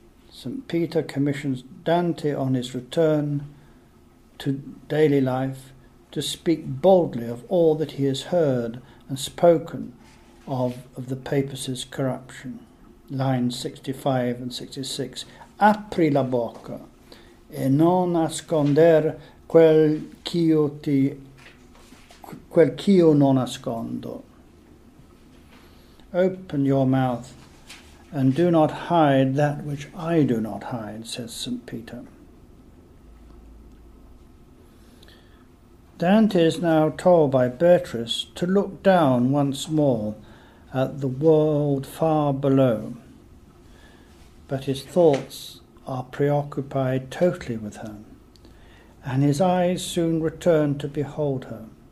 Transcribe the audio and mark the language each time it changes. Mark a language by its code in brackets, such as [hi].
[en] St. Peter commissions Dante on his return to daily life to speak boldly of all that he has heard and spoken of the papacy's corruption. Lines 65 and 66. [it] Apri la bocca e non asconder quel ch'io non nascondo. [en] Open your mouth and do not hide that which I do not hide, says St. Peter. Dante is now told by Beatrice to look down once more at the world far below, but his thoughts are preoccupied totally with her, and his eyes soon return to behold her.